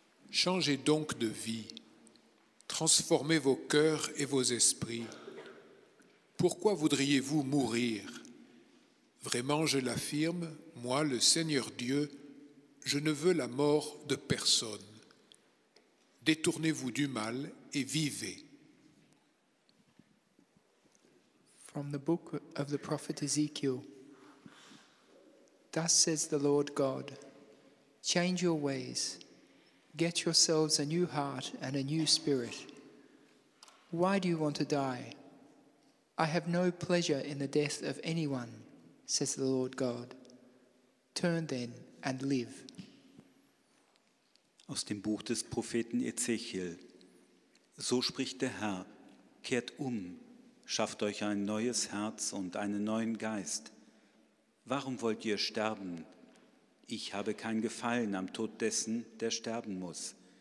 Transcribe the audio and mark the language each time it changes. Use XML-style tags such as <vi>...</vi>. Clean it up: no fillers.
<fr>Changez donc de vie. Transformez vos cœurs et vos esprits. Pourquoi voudriez-vous mourir? Vraiment, je l'affirme, moi, le Seigneur Dieu, je ne veux la mort de personne. Détournez-vous du mal et vivez.</fr> <en>From the book of the prophet Ezekiel. Thus says the Lord God, change your ways, get yourselves a new heart and a new spirit. Why do you want to die? I have no pleasure in the death of anyone, says the Lord God. Turn then and live.</en> <de>Aus dem Buch des Propheten Ezechiel. So spricht der Herr, kehrt um, schafft euch ein neues Herz und einen neuen Geist. Warum wollt ihr sterben? Ich habe kein Gefallen am Tod dessen, der sterben muss.</de>